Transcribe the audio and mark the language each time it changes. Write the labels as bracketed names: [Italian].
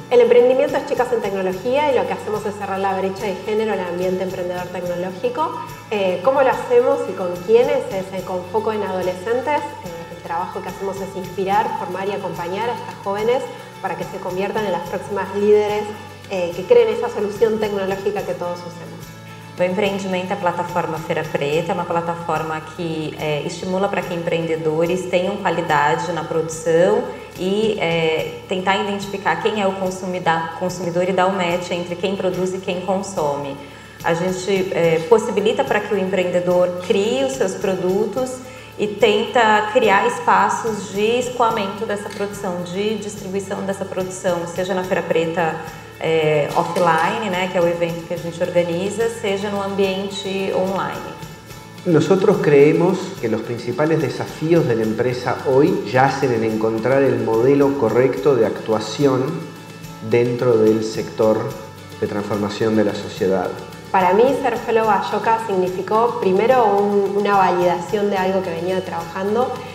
[Spanish] El emprendimiento es Chicas en Tecnología y lo que hacemos es cerrar la brecha de género en el ambiente emprendedor tecnológico. ¿Cómo lo hacemos y con quiénes? Es con foco en adolescentes. El trabajo que hacemos es inspirar, formar y acompañar a estas jóvenes para que se conviertan en las próximas líderes que creen esa solución tecnológica que todos usemos. [Portuguese] O empreendimento é a plataforma Feira Preta, é uma plataforma que estimula para que empreendedores tenham qualidade na produção e tentar identificar quem é o consumidor e dar o match entre quem produz e quem consome. A gente possibilita para que o empreendedor crie os seus produtos e tenta criar espaços de escoamento dessa produção, de distribuição dessa produção, seja na Feira Preta offline, né, que é o evento que a gente organiza, seja no ambiente online. [Spanish] Nosotros creemos que los principales desafíos de la empresa hoy yacen en encontrar el modelo correcto de actuación dentro del sector de transformación de la sociedad. Para mí ser fellow Ashoka significó primero una validación de algo que venía trabajando.